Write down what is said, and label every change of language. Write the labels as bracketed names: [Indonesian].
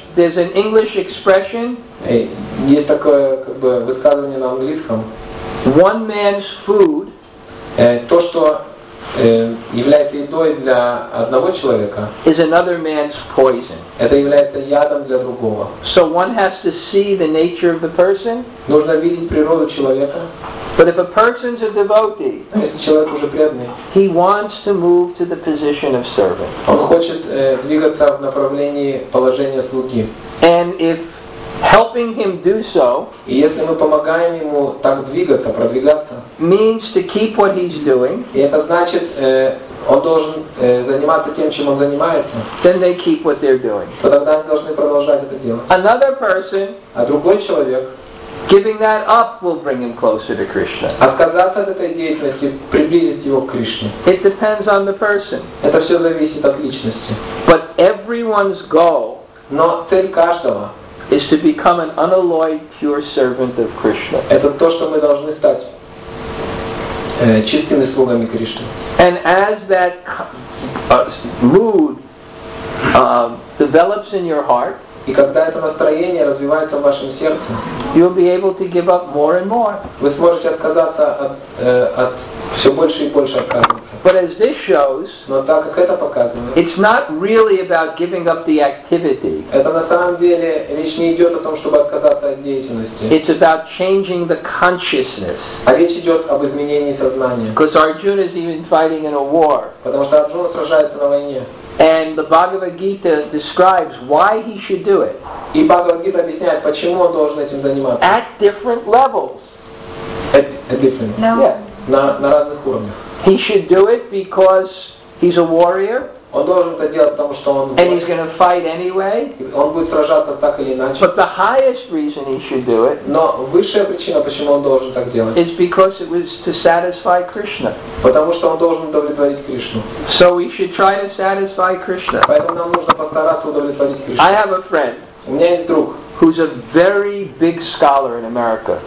[English] There's an English expression. [Russian] Есть такое как бы высказывание на английском. [English] One man's food. [Russian] То, что является едой для одного человека. [English] Is another man's poison. [Russian] Это является ядом для другого. [English] So one has to see the nature of the person. [Russian] Нужно видеть природу человека. [English] But if a person's a devotee, [Russian] если человек уже преданный, [English] he wants to move to the position of servant. [Russian] Он хочет двигаться в направлении положения слуги. [English] And if helping him do so, [Russian] и если мы помогаем ему так двигаться, продвигаться, [English] means to keep what he's doing, [Russian] и это значит, он должен заниматься тем, чем он занимается, [English] then they keep what they're doing. [Russian] То тогда они должны продолжать это делать. [English] Another person, [Russian] а другой человек, [English] giving that up will bring him closer to Krishna. [Russian] Отказаться от этой деятельности приблизит его к Кришне. [English] It depends on the person. [Russian] Это все зависит от личности. [English] But everyone's goal, [Russian] но цель каждого, [English] is to become an unalloyed pure servant of Krishna. [Russian] Это то, что мы должны стать чистыми слугами Кришны. [English] And as that mood develops in your heart, [Russian] и когда это настроение развивается в вашем сердце, [English] you'll be able to give up more and more. [Russian] Вы сможете отказаться от все больше и больше отказываться. [English] But as this shows, [Russian] но так как это показано, [English] it's not really about giving up the activity. [Russian] Это на самом деле речь не идет о том, чтобы отказаться от деятельности. [English] It's about changing the consciousness. [Russian] А речь идет об изменении сознания. [English] Because Arjuna is even fighting in a war. [Russian] Потому что Арджуна сражается на войне. [English] And the Bhagavad Gita describes why he should do it. [Russian] И Бхагавад Гита объясняет, почему он должен этим заниматься. [English] At different levels. At different. No. [Russian] Yeah. На разных уровнях. [English] He should do it because he's a warrior. [Russian] Он должен это делать, потому что он. [English] And he's going to fight anyway. [Russian] Он будет сражаться так или иначе. [English] But the highest reason he should do it. [Russian] Но высшая причина, почему он должен так делать. [English] Is because it was to satisfy Krishna. [Russian] Потому что он должен удовлетворить Кришну. [English] So we should try to satisfy Krishna. [Russian] Поэтому нам нужно постараться удовлетворить Кришну. [English] I have a friend. [Russian] У меня есть друг. [English] Who's a very big scholar in America.